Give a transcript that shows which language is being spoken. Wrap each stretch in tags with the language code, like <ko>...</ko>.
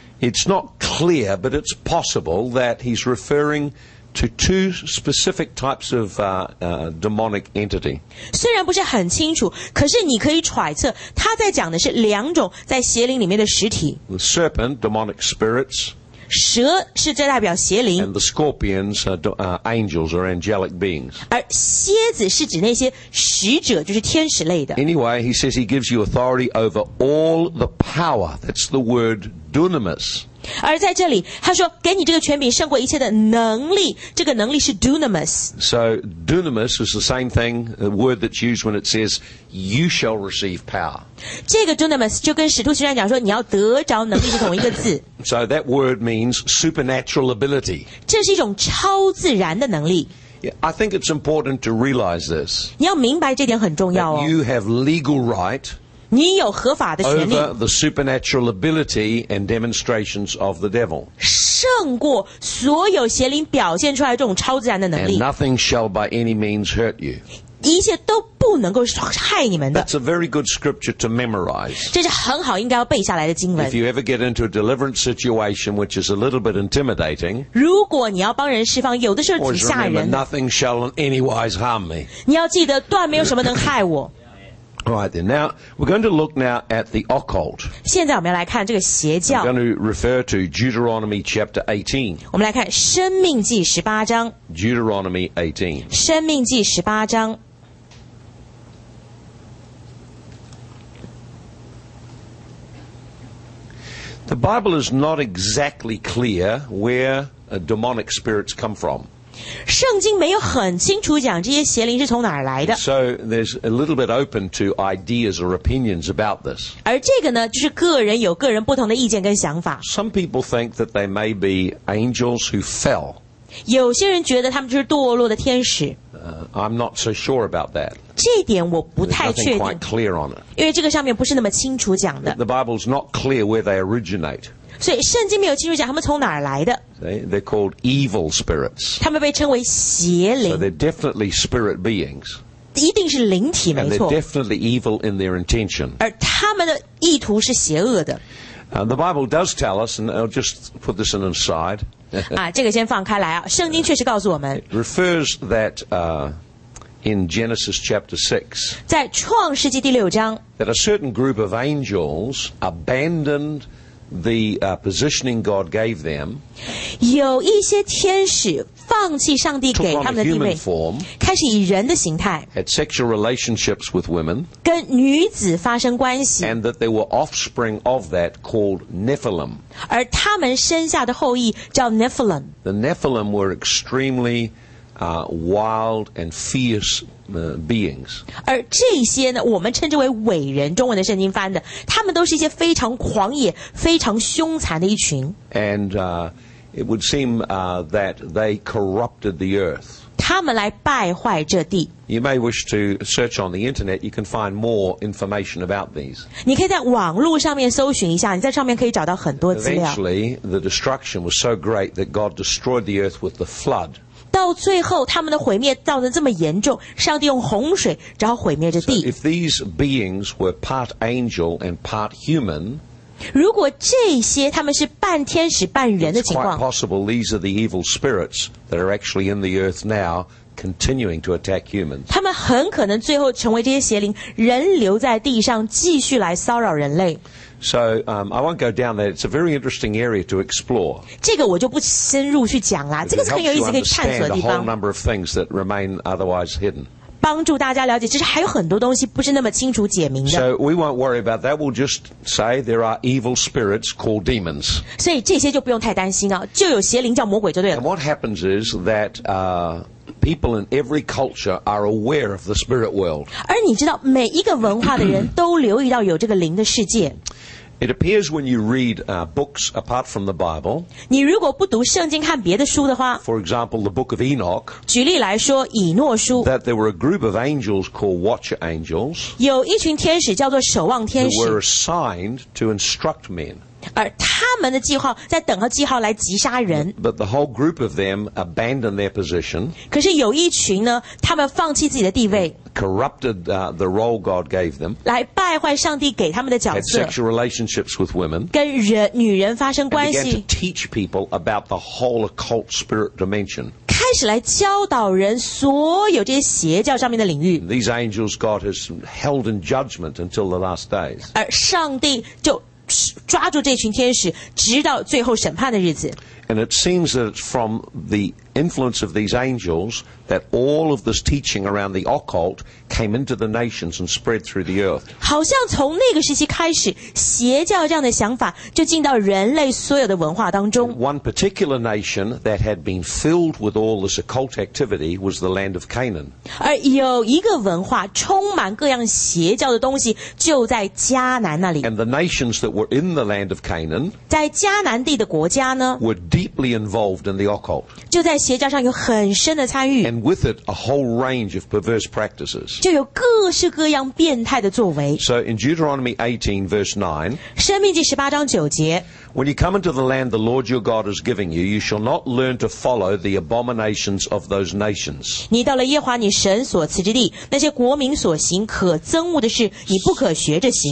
<en>It's not clear, but it's possible that he's referring to two specific types of demonic entity.</en> <zh>虽然不是很清楚，可是你可以揣测，他在讲的是两种在邪灵里面的实体。</zh> <en>The serpent, demonic spirits.</en> <zh>蛇是这代表邪灵。</zh> <en>And the scorpions are angels or angelic beings.</en> <zh>而蝎子是指那些使者，就是天使类的。</zh> <en>Anyway, he says he gives you authority over all the power. That's the word dunamis.</en> <zh>而在这里他说给你这个权柄胜过一切的能力这个能力是 dunamis</zh> <en>So dunamis is the same thing the word that's used when it says you shall receive power</en> <zh>这个 dunamis 就跟使徒行传讲说你要得着能力是同一个字</zh> <en>So that word means supernatural ability</en> <zh>这是一种超自然的能力</zh> <en>yeah, I think it's important to realize this</en> <zh>你要明白这点很重要哦</zh> <en>that you have legal right</en> <zh>你有合法的权利</zh> <en>over the supernatural ability and demonstrations of the devil.</en> <zh>胜过所有邪灵表现出来这种超自然的能力</zh> <en>And nothing shall by any means hurt you.</en> <zh>一切都不能够害你们的</zh> <en>That's a very good scripture to memorize.</en> <zh>这是很好应该要背下来的经文</zh> <en>If you ever get into a deliverance situation which is a little bit intimidating,</en> <zh>如果你要帮人释放有的时候挺吓人</zh> <en>Or remember, nothing shall in any wise harm me.</en> <zh>你要记得断没有什么能害我</zh> <en>Right then. Now, we're going to look now at the occult.</en> <zh>现在我们要来看这个邪教。</zh> <en>We're going to refer to Deuteronomy chapter 18.</en> <zh>我们来看生命记十八章。</zh> <en>Deuteronomy 18.</en> <zh>生命记十八章。</zh> <en>The Bible is not exactly clear where demonic spirits come from.</en> <zh>圣经没有很清楚讲这些邪灵是从哪儿来的。</zh> <en>So there's a little bit open to ideas or opinions about this.</en> <zh>而这个呢，就是个人有个人不同的意见跟想法。</zh> <en>Some people think that they may be angels who fell.</en> <zh>有些人觉得他们就是堕落的天使。</zh> <en>I'm not so sure about that.</en> <zh>这点我不太确定。</zh> <en>There's nothing quite clear on it.</en> <zh>因为这个上面不是那么清楚讲的。</zh> <en>The Bible's not clear where they originate.</en> <zh>所以圣经没有清楚讲他们从哪儿来的。</zh> <en>They're called evil spirits.</en> <zh>他们被称为邪灵。</zh> <en>So they're definitely spirit beings.</en> <zh>一定是灵体没错。</zh> <en>And they're definitely evil in their intention.</en> <zh>而他们的意图是邪恶的。</zh> <en>The Bible does tell us, and I'll just put this in an aside.</en> <zh>这个先放开来啊。圣经确实告诉我们。</zh> <en>It refers that in Genesis chapter 6.</en> <zh>在创世纪第六章。</zh> <en>That a certain group of angels abandoned the positioning God gave them</en> <zh>有一些天使放弃上帝给他们的地位</zh> <en>form,</en> <zh>开始以人的形态</zh> <en>had sexual relationships with women</en> <zh>跟女子发生关系</zh> <en>and that they were offspring of that called Nephilim</en> <zh>而他们生下的后裔叫 Nephilim</zh> <en>the Nephilim were extremely wild and fierce beings</en> <zh>而这些呢我们称之为伟人中文的圣经翻的他们都是一些非常狂野非常凶残的一群</zh> <en>and it would seem that they corrupted the earth</en> <zh>他们来败坏这地</zh> <en>you may wish to search on the internet you can find more information about these</en> <zh>你可以在网络上面搜寻一下你在上面可以找到很多资料</zh> <en>eventually the destruction was so great that God destroyed the earth with the flood</en> <zh>到最后他们的毁灭造得这么严重上帝用洪水然后毁灭着地。</zh> <en>So if these beings were part angel and part human,</en> <zh>如果这些他们是半天使半人的情况</zh> <en>It's quite possible these are the evil spirits that are actually in the earth now continuing to attack humans.</en> <zh>他们很可能最后成为这些邪灵人留在地上继续来骚扰人类。</zh> <en>So, I won't go down there. It's a very interesting area to explore.</en> <zh>这个我就不深入去讲啦。这个是很有意思可以探索的地方。</zh> <en>It helps you understand a whole number of things that remain otherwise hidden.</en> <zh>帮助大家了解，其实还有很多东西不是那么清楚解明的。</zh> <en>So, we won't worry about that. We'll just say there are evil spirits called demons.</en> <zh>所以这些就不用太担心啊，就有邪灵叫魔鬼就对了。</zh> <en>And what happens is that, people in every culture are aware of the spirit world.</en> <zh>而你知道每一个文化的人都留意到有这个灵的世界。</zh> <en>It appears when you read books apart from the Bible.</en> <zh>你如果不读圣经看别的书的话</zh> <en>For example, the book of Enoch.</en> <zh>举例来说以诺书</zh> <en>That there were a group of angels called watcher angels.</en> <zh>有一群天使叫做守望天使</zh> <en>Who were assigned to instruct men.</en> <zh>而他们的记号在等候记号来击杀人</zh> <en>But the whole group of them abandoned their position</en> <zh>可是有一群呢他们放弃自己的地位</zh> <en>Corrupted the role God gave them</en> <zh>来败坏上帝给他们的角色</zh> <en>Had sexual relationships with women</en> <zh>跟人女人发生关系</zh> <en>And began to teach people about the whole occult spirit dimension</en> <zh>开始来教导人所有这些邪教上面的领域</zh> <en>These angels God has held in judgment until the last days</en> <zh>而上帝就抓住这群天使直到最后审判的日子</zh> <en>And it seems that it's from the influence of these angels that all of this teaching around the occult came into the nations and spread through the earth</en> <zh>好像从那个时期开始邪教这样的想法就进到人类所有的文化当中</zh> <en>One particular nation that had been filled with all this occult activity was the land of Canaan</en> <zh>而有一个文化充满各样邪教的东西就在迦南那里</zh> <en>And the nations that were in the land of Canaan</en> <zh>在迦南地的国家呢</zh> <en>were deeply involved in the occult</en> <zh>就在邪教上有很深的参与</zh> <en>And with it a whole range of perverse practices</en> <zh>就有各式各样变态的作为</zh> <en>So in Deuteronomy 18 verse 9</en> <zh>生命记十八章九节</zh> <en>When you come into the land the Lord your God is giving you, you shall not learn to follow the abominations of those nations</en> <zh>你到了耶华你神所赐之地那些国民所行可憎恶的事你不可学着行</zh>